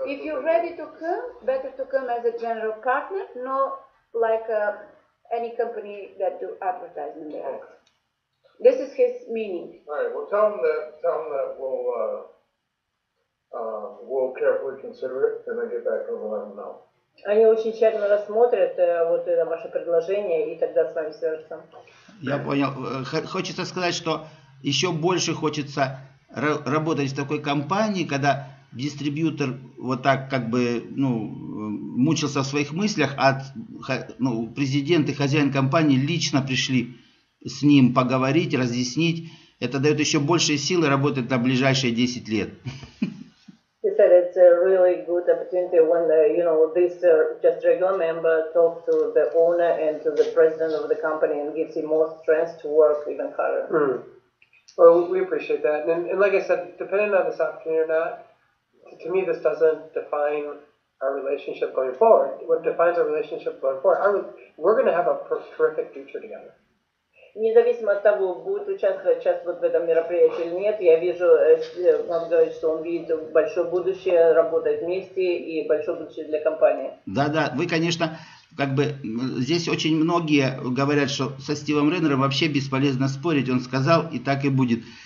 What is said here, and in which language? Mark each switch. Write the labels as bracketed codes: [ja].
[en] If you're ready to come, better to come as a general partner, not like a any company that do advertising there. Okay. This is his meaning. Alright, well tell him that we'll carefully consider it and then get back over and let him know. [ru] Они очень тщательно рассмотрят вот это ваше предложение и тогда с вами свяжутся. Я понял. Хочется сказать, что еще больше хочется работать в такой компании, когда дистрибьютор вот так как бы мучился в своих мыслях, а президент и хозяин компании лично пришли с ним поговорить, разъяснить. Это дает еще больше силы работать на ближайшие 10 лет. [en] He said it's a really good opportunity when this just regular member talks to the owner and to the president of the company and gives him more strength to work even harder. Mm. Well, we appreciate that. And like I said, depending on this opportunity or not, to me this doesn't define our relationship going forward. What defines our relationship going forward, we're going to have a terrific future together. [ru] Независимо от того, будет участвовать вот в этом мероприятии или нет, я вижу, он говорит, что он видит большое будущее работать вместе и большое будущее для компании. Да, вы, конечно, как бы здесь очень многие говорят, что со Стивом Рейнером вообще бесполезно спорить, он сказал, и так и будет.